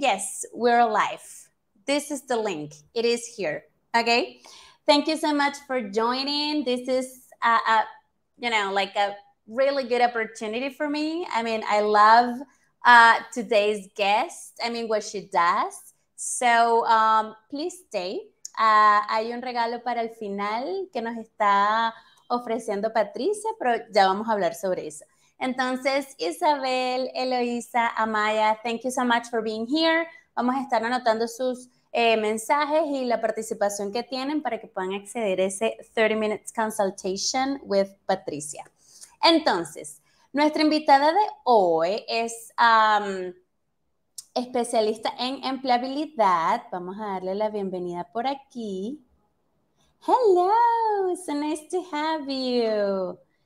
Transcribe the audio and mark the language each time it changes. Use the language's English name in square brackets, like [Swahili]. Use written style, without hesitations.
[English] Yes, we're live. This is the link. It is here. Okay. Thank you so much for joining. This is a really good opportunity for me. I mean, I love today's guest. I mean, what she does. So please stay. [Spanish] Hay un regalo para el final que nos está ofreciendo Patricia, pero ya vamos a hablar sobre eso. [English] Entonces, Isabel, Eloisa, Amaya, thank you so much for being here. [Spanish] Vamos a estar anotando sus mensajes y la participación que tienen para que puedan acceder a ese [English] 30 minutes consultation with [Spanish] Patricia. Entonces, nuestra invitada de hoy es especialista en empleabilidad. Vamos a darle la bienvenida por aquí. [English] Hello, so nice to have you.